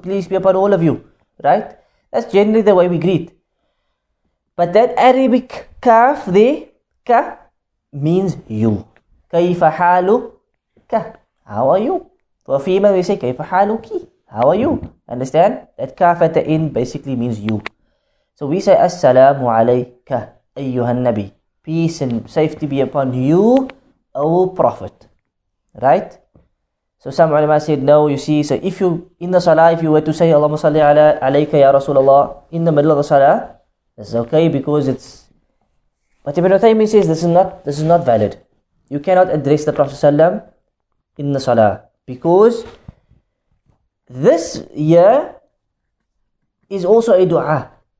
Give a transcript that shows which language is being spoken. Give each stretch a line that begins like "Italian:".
English: Peace be upon all of you. Right? That's generally the way we greet. But that Arabic kaf, the ka, means you.
Arabic: كيف حالك؟
English: How are you? For female, we say كيف حالك؟ How are you? Understand? That كاف at the end basically means you. So we say
Arabic: السلام عليك أيها النبي.
English: Peace and safety be upon you, O Prophet. Right? So some ulama said no. You see, so if you in the salah, if you were to say
Arabic: اللهم صل على عليك يا رسول الله
English: in the middle of the salah, that's okay because it's. But Ibn Uthaymeen says this is not valid. You cannot address the Prophet ﷺ in the salah because this year is also a dua.